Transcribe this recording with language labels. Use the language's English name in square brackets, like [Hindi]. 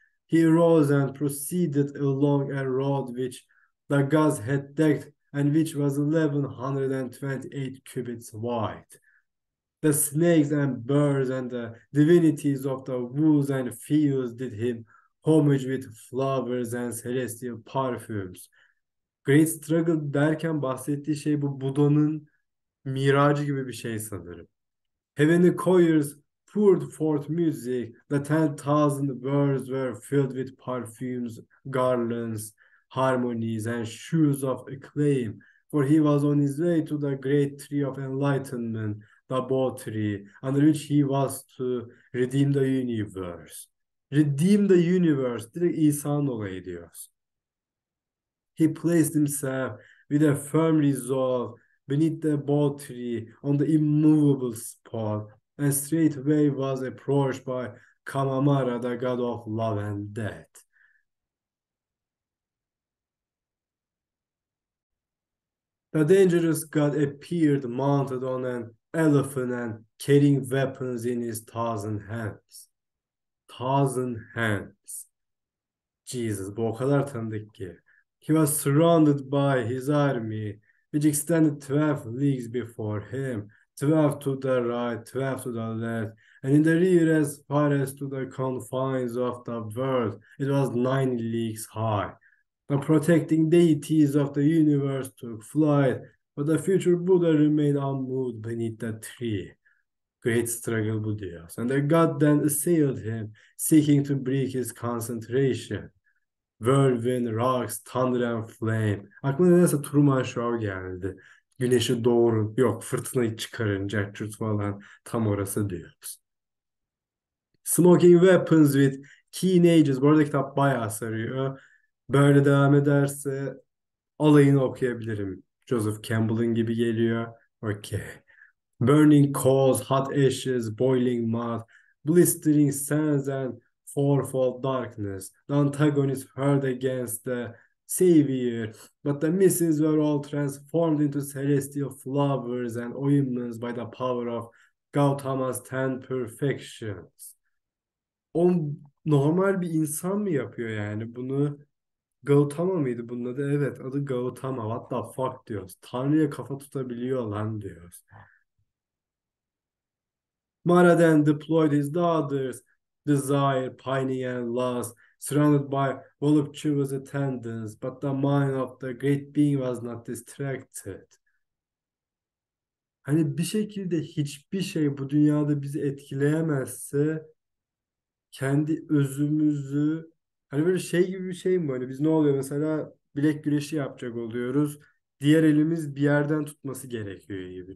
[English] He rose and proceeded along a road which the gods had decked and which was 1128 cubits wide. The snakes and birds and the divinities of the woods and fields did him homage with flowers and celestial perfumes. Great Struggle [Turkish] derken bahsettiği şey bu Buda'nın miracı gibi bir şey sanırım. [English] Heavenly choirs poured forth music. The 10,000 birds were filled with perfumes, garlands, harmonies and shouts of acclaim. For he was on his way to the great tree of enlightenment, the Bo tree, under which he was to redeem the universe. Redeem the universe, [Turkish] direkt İsa'nın olayı diyoruz. [English] He placed himself with a firm resolve beneath the bow tree on the immovable spot and straightway was approached by Kamamara, the god of love and death. The dangerous god appeared mounted on an elephant and carrying weapons in his thousand hands. Thousand hands. [Turkish] Jesus, bu o kadar tanıdık ki. [English] He was surrounded by his army, which extended 12 leagues before him, 12 to the right, 12 to the left, and in the rear as far as to the confines of the world, it was 9 leagues high. The protecting deities of the universe took flight, but the future Buddha remained unmoved beneath the tree. Great struggle, Buddha. And the god then assailed him, seeking to break his concentration. Whirlwind, rocks, thunder and flame. [Turkish] Aklıma nedense Truman Show geldi. Güneşi doğurup, yok fırtınayı çıkarınca, çürt falan tam orası diyoruz. [English] Smoking weapons with keen edges. [Turkish] Bu arada kitap bayağı sarıyor. Böyle devam ederse alayını okuyabilirim. Joseph Campbell'ın gibi geliyor. [English] Okay. Burning coals, hot ashes, boiling mud, blistering sands and fourfold darkness. The antagonist hurled against the savior, but the misses were all transformed into celestial flowers and ointments by the power of Gautama's ten perfections. [Turkish] O normal bir insan mı yapıyor yani bunu? Gautama mıydı bunun adı? Evet, adı Gautama. [English] What the fuck [Turkish] diyoruz. Tanrı'ya kafa tutabiliyor lan diyoruz. [English] Mara then deployed his daughters, desire, pining and lust, surrounded by voluptuous attendants, but the mind of the great being was not distracted. [Turkish] Hani bir şekilde hiçbir şey bu dünyada bizi etkileyemezse kendi özümüzü, hani böyle şey gibi bir şey mi, böyle biz ne oluyor mesela, bilek güreşi yapacak oluyoruz. Diğer elimiz bir yerden tutması gerekiyor gibi.